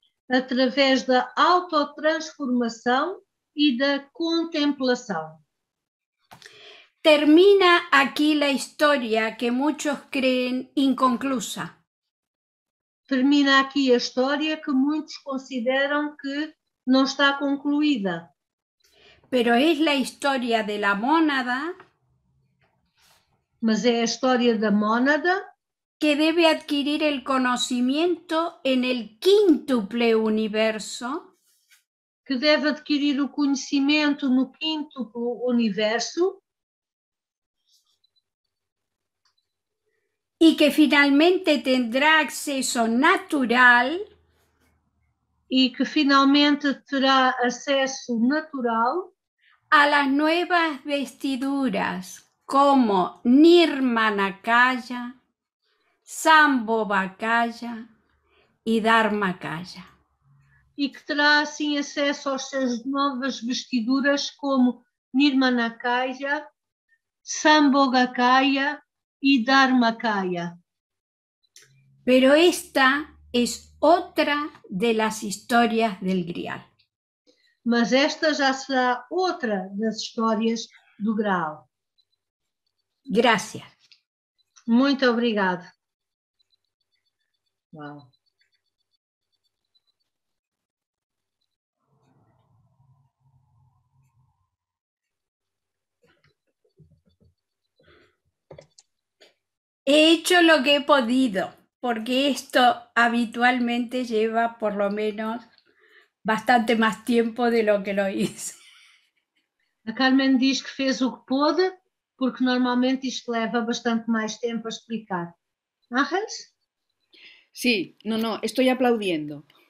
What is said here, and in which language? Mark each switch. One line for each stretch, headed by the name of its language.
Portuguese: Através da autotransformação e da contemplação. Termina aqui a história que muitos creem inconclusa. Termina aqui a história que muitos consideram que não está concluída.
Spanish: Pero es la historia de la mónada.
Portuguese: Mas é a história da mónada que deve adquirir
Spanish: el conocimiento en el quíntuple universo.
Portuguese: Que deve adquirir o conhecimento no quíntuple universo.
Spanish: Y que finalmente tendrá acceso natural. Y que finalmente tendrá acceso natural. A las nuevas vestiduras como Nirmanakaya, Sambhavakaya y Dharmakaya. Y que tendrá así acceso a sus nuevas vestiduras como Nirmanakaya, Sambhavakaya.
Portuguese: E Dharmakaya.
Spanish: Pero esta es otra de las historias del Grial.
Portuguese: Mas esta já será outra das histórias do Grial.
Spanish: Gracias.
Portuguese: Muito obrigada. Uau.
Spanish: He hecho lo que he podido, porque esto habitualmente lleva por lo menos bastante más tiempo de lo que lo hice.
Portuguese: A Carmen diz que fez o que pôde, porque normalmente isto leva bastante mais tempo a explicar.
Spanish: Ángeles? Sí, no, estoy aplaudiendo.